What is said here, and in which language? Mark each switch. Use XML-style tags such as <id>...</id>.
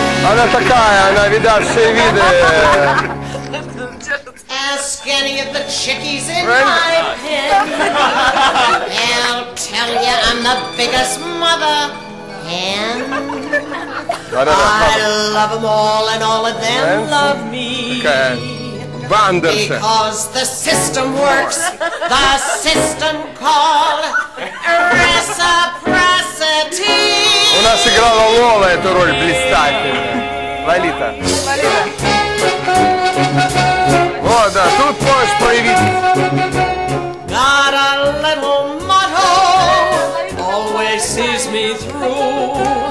<ru>Она такая, она видавшая виды.</ru> <en>Ask any of the chickies in right? my pen. They'll tell you I'm the biggest mother hen. I love them all and all of them right? love me. Okay. Because the system works, the system called reciprocity.</en> <ru>У нас играла Лола эту роль блистательно. Лолита. О, да, тут можешь проявить.</ru> <en>Got a little motto, always sees me through.</en>